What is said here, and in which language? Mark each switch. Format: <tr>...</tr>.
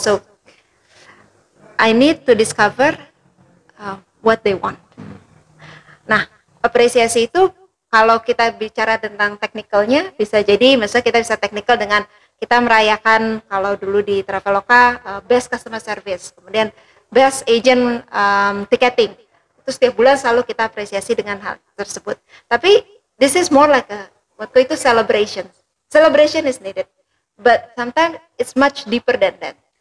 <en>So, I need to discover what they want.</en> <id>Nah, apresiasi itu kalau kita bicara tentang teknikalnya, bisa jadi misalnya kita bisa teknikal dengan kita merayakan kalau dulu di Traveloka best customer service, kemudian best agent ticketing. Terus setiap bulan selalu kita apresiasi dengan hal tersebut.</id> <en>Tapi this is more like</en> <id>waktu itu</id> <en>celebration. Celebration is needed, but sometimes it's much deeper than that.</en>